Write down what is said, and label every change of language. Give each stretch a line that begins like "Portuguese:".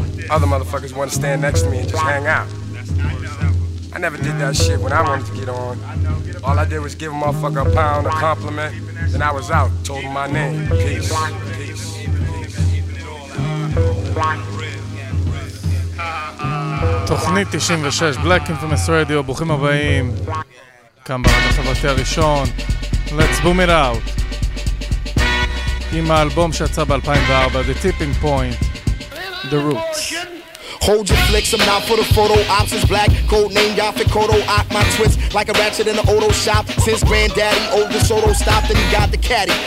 English: Other motherfuckers wanna stand next to me and just hang out. I never did that shit when I wanted to get on. All I did was give a motherfucker a pound, a compliment, then I was out, told him my name. Peace. Peace.
Hebrew: תוכנית 96, Black Infamous Radio, ברוכים הבאים. כאן ברדיו החברתי הראשון.
English: Let's boom it out.
Hebrew: עם האלבום שיצא ב-2004, The Tipping Point, The Roots.
English: Hold your flicks, I'm not for the photo ops. It's black, code name, y'all fit Kodo. Ock my twist like a ratchet in an auto shop. Since granddaddy, old DeSoto stopped and he got the caddy.